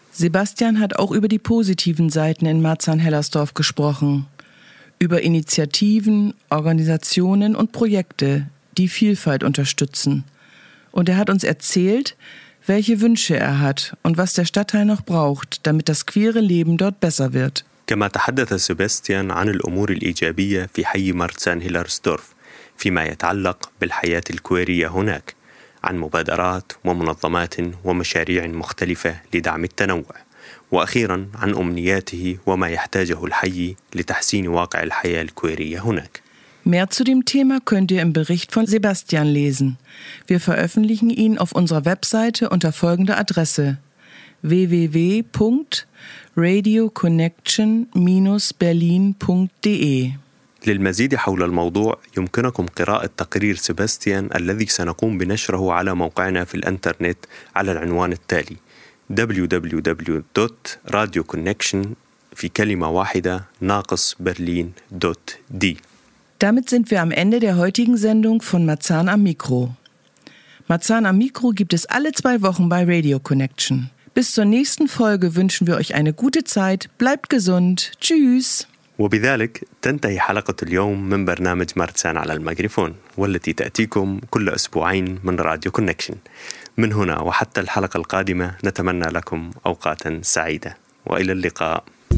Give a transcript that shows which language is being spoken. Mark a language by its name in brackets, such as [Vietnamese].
[German] Sebastian hat auch über die positiven Seiten in Marzahn-Hellersdorf gesprochen, über Initiativen, Organisationen und Projekte, die Vielfalt unterstützen. Und er hat uns erzählt, welche Wünsche er hat und was der Stadtteil noch braucht, damit das queere Leben dort besser wird. [Arabic] كما تحدث سيباستيان عن الأمور الإيجابية في حي مارتسان هيلرسدورف فيما يتعلق بالحياة الكويرية هناك عن مبادرات ومنظمات ومشاريع مختلفة لدعم التنوع وأخيرا عن أمنياته وما يحتاجه الحي لتحسين واقع الحياة الكويرية هناك. [German] Mehr zu dem Thema könnt ihr im Bericht von Sebastian lesen. Wir veröffentlichen ihn auf unserer Webseite unter folgender Adresse: www.radioconnection-berlin.de. [Arabic] للمزيد حول الموضوع يمكنكم قراءة تقرير سيباستيان الذي سنقوم بنشره على موقعنا في الانترنت على العنوان التالي: www.radioconnection-berlin.de. [German] Damit sind wir am Ende der heutigen Sendung von Marzahn am Mikro. Marzahn am Mikro gibt es alle zwei Wochen bei Radio Connection. Bis zur nächsten Folge wünschen wir euch eine gute Zeit. Bleibt gesund. Tschüss. [Arabic] وبذلك تنتهي حلقة اليوم من برنامج مارتسان على الميكروفون والتي تأتيكم كل أسبوعين من راديو كونكشن. من هنا وحتى الحلقة القادمة نتمنى لكم أوقاتا سعيدة وإلى اللقاء.